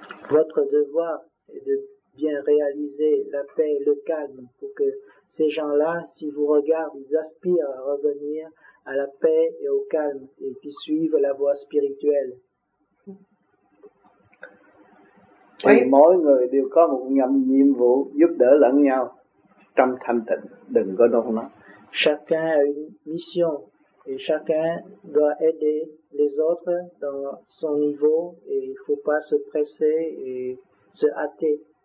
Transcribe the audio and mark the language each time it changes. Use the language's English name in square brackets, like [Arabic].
[French] Votre devoir est de bien réaliser la paix, le calme, pour que ces gens-là, si vous regardent, ils aspirent à revenir à la paix et au calme, et qui suivent la voie spirituelle. Oui. [Vietnamese] Et mỗi người đều có một nhiệm vụ giúp đỡ lẫn nhau trong thanh tịnh, đừng có đâu nó. [French] Chacun a une mission, et chacun doit aider les autres dans son niveau, et il ne faut pas se presser et se hâter.